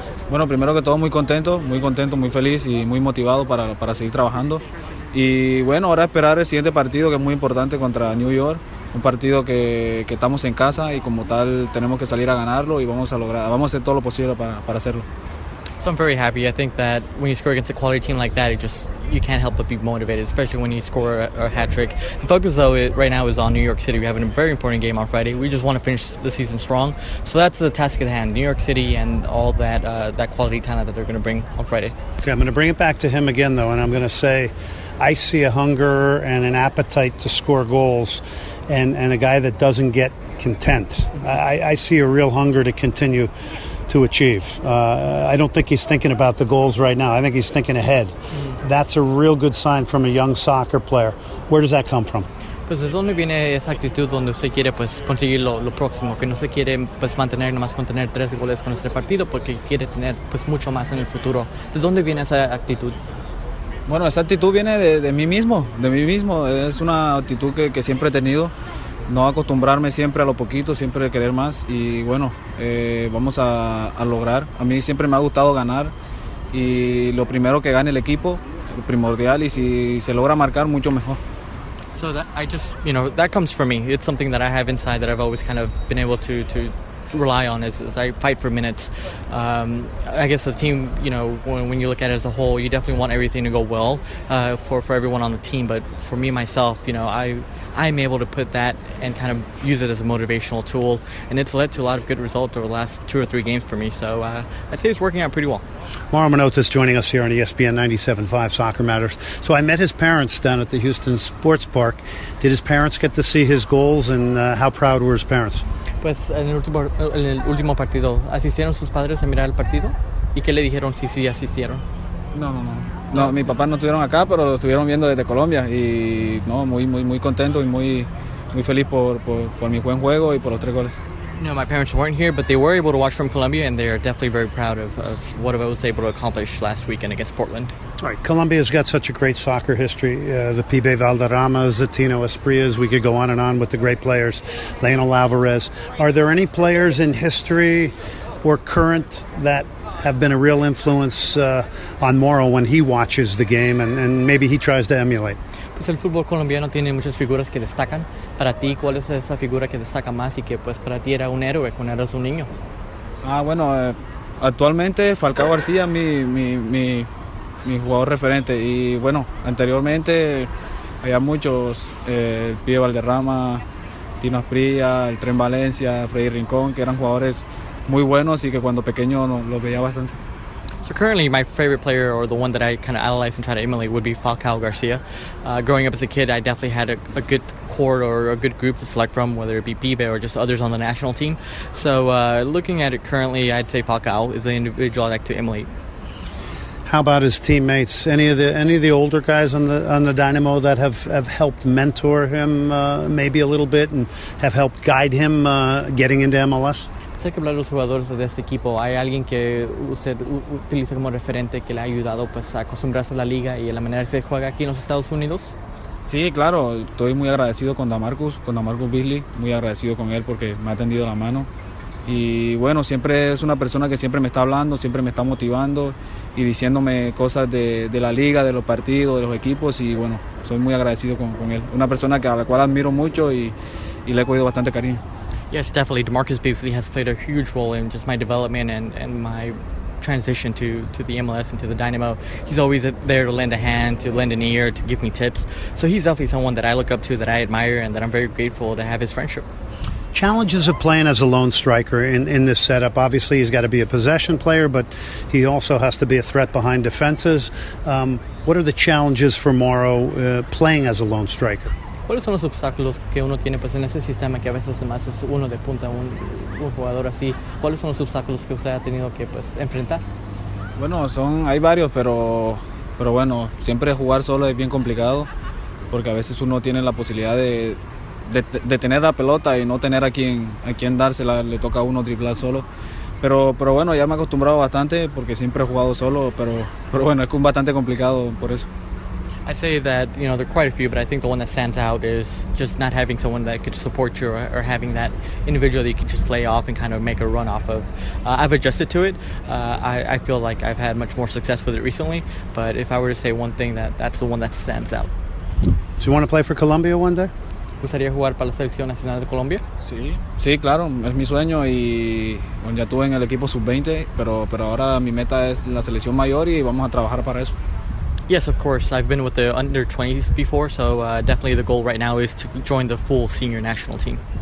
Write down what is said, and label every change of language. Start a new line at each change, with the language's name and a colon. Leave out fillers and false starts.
Spanish: Bueno, primero que todo, muy contento, muy feliz y muy motivado para seguir trabajando. Y bueno, ahora esperar el siguiente partido, que es muy importante, contra New York. Un partido que estamos en casa y como tal tenemos que salir a ganarlo y vamos a hacer todo lo posible para hacerlo.
English: So I'm very happy. I think that when you score against a quality team like that, you can't help but be motivated, especially when you score a hat-trick. The focus, though, right now is on New York City. We have a very important game on Friday. We just want to finish the season strong. So that's the task at hand, New York City and all that that quality talent that they're going to bring on Friday. Okay, I'm going to bring it back to him again, though, and I'm going to say I see a hunger and an appetite to score goals and a guy that doesn't get content. I see a real hunger to continue to achieve. I don't think he's thinking about the goals right now. I think he's thinking ahead. That's a real good sign from a young soccer player. Where does that come from?
Spanish: Pues de dónde viene esa actitud donde usted quiere pues conseguir lo próximo, que no se quiere pues mantener nomás con tener tres goles con este partido porque quiere tener pues mucho más en el futuro. ¿De dónde viene esa actitud? Bueno, esa actitud viene de mí mismo. Es una actitud que siempre he tenido. No acostumbrarme siempre a lo poquito, siempre querer más. Y bueno, vamos a lograr. A mí siempre me ha gustado ganar. Y lo primero que gane el equipo, lo primordial. Y si se logra marcar, mucho mejor.
English: So that, I just, you know, that comes from me. It's something that I have inside that I've always kind of been able to rely on as I fight for minutes. I guess the team, you know, when you look at it as a whole, you definitely want everything to go well for everyone on the team. But for me, myself, you know, I'm able to put that and kind of use it as a motivational tool. And it's led to a lot of good results over the last two or three games for me. So I'd say it's working out pretty well. Mauro Manotas joining us here on ESPN 97.5 Soccer Matters. So I met his parents down at the Houston Sports Park. Did his parents get to see his goals, and how proud were his parents?
Spanish: Pues en el último partido, ¿asistieron sus padres a mirar el partido? ¿Y qué le dijeron si asistieron? No. Mi papá no estuvieron acá, pero lo estuvieron viendo desde Colombia. Y no, muy contento y muy feliz por mi buen juego y por los tres goles.
English: No, my parents weren't here, but they were able to watch from Colombia, and they are definitely very proud of what I was able to accomplish last weekend against Portland. All right, Colombia's got such a great soccer history. The Pibe Valderramas, the Tino Esprias, we could go on and on with the great players. Lionel Alvarez. Are there any players in history or current that have been a real influence on Mauro when he watches the game and maybe he tries to emulate?
Spanish: Pues el fútbol colombiano tiene muchas figuras que destacan. Para ti, ¿cuál es esa figura que destaca más y que pues para ti era un héroe cuando eras un niño? Bueno, actualmente Falcao García, mi jugador referente. Y bueno, anteriormente había muchos, el Pibe Valderrama, Tino Asprilla, el Tren Valencia, Freddy Rincón, que eran jugadores muy buenos y que cuando pequeño los veía bastante.
English: So currently, my favorite player, or the one that I kind of idolize and try to emulate, would be Falcao García. Growing up as a kid, I definitely had a good core or a good group to select from, whether it be Pibe or just others on the national team. So looking at it currently, I'd say Falcao is the individual I'd like to emulate. How about his teammates? Any of the older guys on the Dynamo that have helped mentor him maybe a little bit and have helped guide him getting into MLS?
Spanish: Sé que hablar de los jugadores de este equipo. ¿Hay alguien que usted utiliza como referente que le ha ayudado pues, a acostumbrarse a la liga y a la manera que se juega aquí en los Estados Unidos? Sí, claro, estoy muy agradecido con DaMarcus Beasley, muy agradecido con él porque me ha tendido la mano. Y bueno, siempre es una persona que siempre me está hablando, siempre me está motivando y diciéndome cosas de la liga, de los partidos, de los equipos. Y bueno, soy muy agradecido con él. Una persona que, a la cual admiro mucho y le he cogido bastante cariño.
English: Yes, definitely. DaMarcus Beasley has played a huge role in just my development and my transition to the MLS and to the Dynamo. He's always there to lend a hand, to lend an ear, to give me tips. So he's definitely someone that I look up to, that I admire, and that I'm very grateful to have his friendship. Challenges of playing as a lone striker in this setup. Obviously, he's got to be a possession player, but he also has to be a threat behind defenses. What are the challenges for Mauro playing as a lone striker?
Spanish: ¿Cuáles son los obstáculos que uno tiene pues en ese sistema que a veces más es uno de punta, un jugador así? ¿Cuáles son los obstáculos que usted ha tenido que pues enfrentar? Bueno, hay varios, pero bueno, siempre jugar solo es bien complicado porque a veces uno tiene la posibilidad de tener la pelota y no tener a quien dársela, le toca a uno driblar solo. Pero bueno, ya me he acostumbrado bastante porque siempre he jugado solo, pero bueno, es bastante complicado por eso.
English: I'd say that, you know, there are quite a few, but I think the one that stands out is just not having someone that could support you or having that individual that you could just lay off and kind of make a run off of. I've adjusted to it. I feel like I've had much more success with it recently, but if I were to say one thing, that's the one that stands out. So you want to play for Colombia one day?
Spanish: ¿Gustaría jugar para la Selección Nacional de Colombia? Sí, sí, claro, es mi sueño y bueno, ya estuve en el equipo sub-20, pero ahora mi meta es la Selección Mayor y vamos a trabajar para eso.
English: Yes, of course. I've been with the under-20s before, so definitely the goal right now is to join the full senior national team.